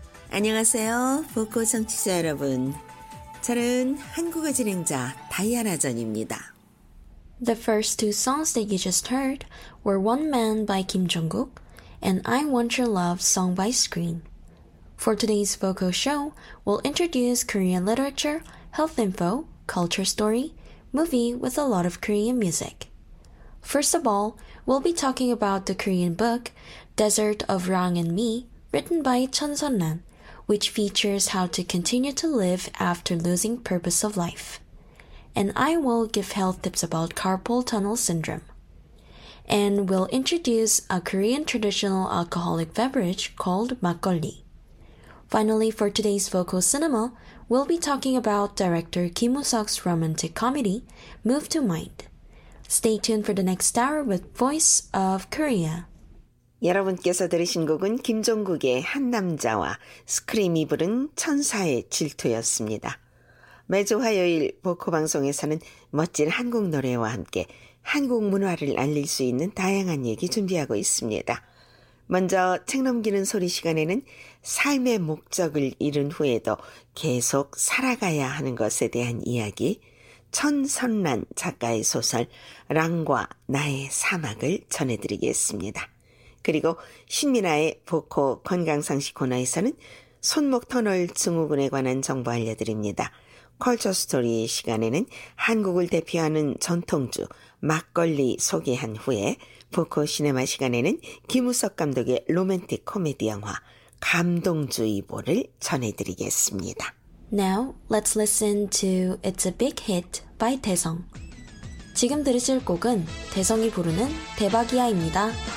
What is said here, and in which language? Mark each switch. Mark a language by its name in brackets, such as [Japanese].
[Korean] 안녕하세요, 보코 청취자 여러분. 저는 한국어 진행자 다이아나 전입니다. [English] The first two songs that you just heard were One Man by Kim Jong-guk and I Want Your Love song by Screen. For today's Voco show, we'll introduce Korean literature, health info, culture story, movie with a lot of Korean music. First of all, we'll be talking about the Korean book Desert of Rang and Me, written by Chun Sun-nan, which features how to continue to live after losing purpose of life. And I will give health tips about carpal tunnel syndrome. And we'll introduce a Korean traditional alcoholic beverage called makgeolli. Finally, for today's Voco Cinema, we'll be talking about director Kim Woo-seok's romantic comedy, Move to Mind. Stay tuned for the next hour with Voice of Korea. [Korean] 여러분께서 들으신 곡은 김종국의 한 남자와 스크림이 부른 천사의 질투였습니다. 매주 화요일 보코 방송에서는 멋진 한국 노래와 함께 한국 문화를 알릴 수 있는 다양한 얘기 준비하고 있습니다. 먼저 책 넘기는 소리 시간에는 삶의 목적을 잃은 후에도 계속 살아가야 하는 것에 대한 이야기, 천선란 작가의 소설 랑과 나의 사막을 전해드리겠습니다. 그리고 신민아의 보코 건강상식 코너에서는 손목 터널 증후군에 관한 정보 알려드립니다. 컬처 스토리 시간에는 한국을 대표하는 전통주 막걸리 소개한 후에 보코 시네마 시간에는 김우석 감독의 로맨틱 코미디 영화 감동주의보를 전해드리겠습니다. [English] Now, let's listen to It's a Big Hit by 대성. [Korean] 지금 들으실 곡은 대성이 부르는 대박이야입니다.